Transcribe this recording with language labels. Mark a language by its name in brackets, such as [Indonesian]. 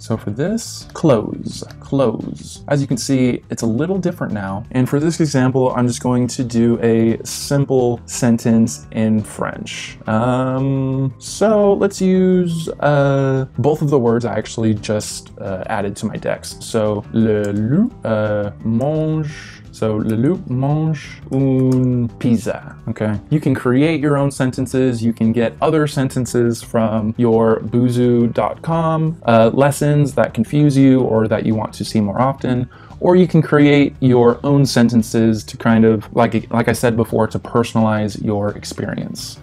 [English] So for this, close. As you can see, it's a little different now. And for this example, I'm just going to do a simple sentence in French. So let's use both of the words I actually just added to my decks. [French] So le loup mon. So le loup mange une pizza. [English] Okay, you can create your own sentences. You can get other sentences from your Busuu.com lessons that confuse you or that you want to see more often. Or you can create your own sentences to kind of, like I said before, to personalize your experience.